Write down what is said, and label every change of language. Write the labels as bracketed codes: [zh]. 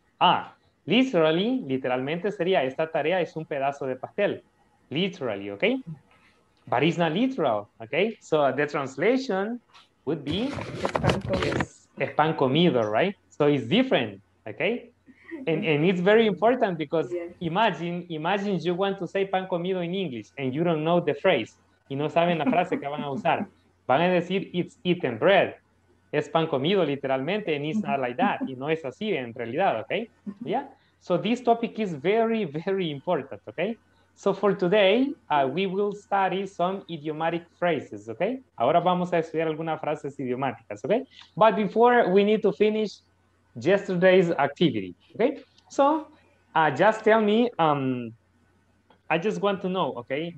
[es] Ah, literalmente sería, esta tarea es un pedazo de pastel. [en] Literally, okay? But it's not literal, okay? So the translation would be, [es] es pan comido, [en] right? So it's different, okay? And it's very important because imagine you want to say [es] pan comido [en] in English and you don't know the phrase, [es] y no saben la frase que van a usar. Van a decir, [en] it's eaten bread. [es] Es pan comido, literalmente, [en] and it's not like that. [es] Y no es así en realidad, okay? Yeah? [en] So this topic is very, very important, okay? So for today, we will study some idiomatic phrases, okay? [es] Ahora vamos a estudiar algunas frases idiomáticas, okay? [en] But before, we need to finish yesterday's activity, okay? So just tell me, I just want to know, okay?